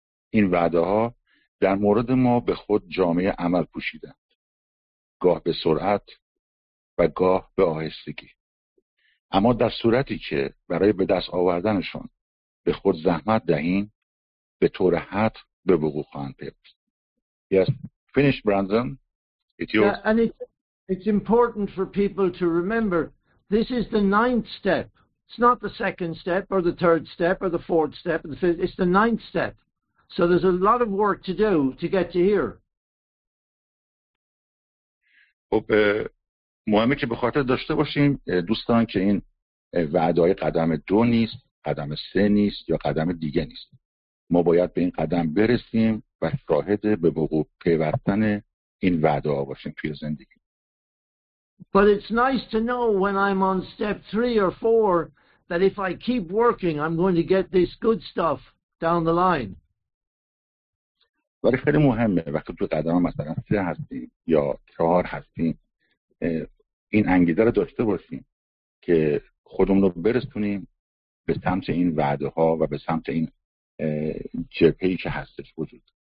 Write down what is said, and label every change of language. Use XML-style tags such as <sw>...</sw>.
<fa>این وعده‌ها در مورد ما به خود جامعه عمل پوشیدند. گاه به سرعت و گاه به آهستگی. اما در صورتی که برای به دست آوردنشان به خود زحمت دهیم، به طور حتم به وقوع خواهند پیوست.</fa> <en>Yes, finish, Brandon. It's yours. Yeah, and it's important for people to remember. This is the ninth step. It's not the second step or the third step or the fourth step or the fifth. It's the ninth step. So there's a lot of work to do to get to here.</en> <fa>خب مهمه که به خاطر داشته باشیم دوستان که این وعده‌های قدم دو نیست، قدم سه نیست یا قدم دیگه نیست. ما باید به این قدم برسیم و شاهد به وقوع پیوستن این وعده‌ها باشیم توی زندگی.</fa> <en>But it's nice to know when I'm on step 3 or 4 that if I keep working I'm going to get this good stuff down the line.</en> <fa>ولی خیلی مهمه وقتی تو قدم مثلا 3 هستیم یا 4 هستیم این انگیزه رو داشته باشیم که خودمون رو برسونیم به سمت این وعده ها و به سمت این جبهه‌ای که هستش وجود.</fa>